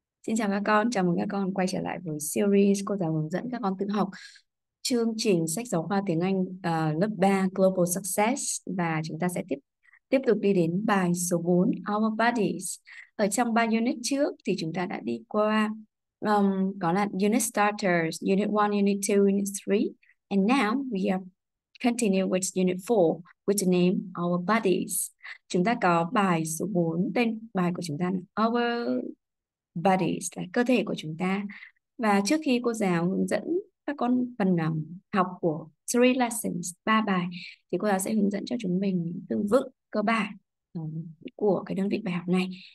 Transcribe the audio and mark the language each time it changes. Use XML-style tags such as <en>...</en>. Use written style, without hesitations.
<vi>Xin chào các con, chào mừng các con quay trở lại với series cô giáo hướng dẫn các con tự học chương trình sách giáo khoa tiếng Anh lớp 3 Global Success. Và chúng ta sẽ tiếp tục đi đến bài số 4, Our Bodies. Ở trong 3 unit trước thì chúng ta đã đi qua có là Unit Starters, Unit 1, Unit 2, Unit 3.</vi> <en>And now we are continue with Unit 4 with the name Our Bodies.</en> <vi>Chúng ta có bài số 4, tên bài của chúng ta là Our Bodies, là cơ thể của chúng ta. Và trước khi cô giáo hướng dẫn các con phần học của 3 lessons, 3 bài, thì cô giáo sẽ hướng dẫn cho chúng mình từ vựng cơ bản của cái đơn vị bài học này.</vi>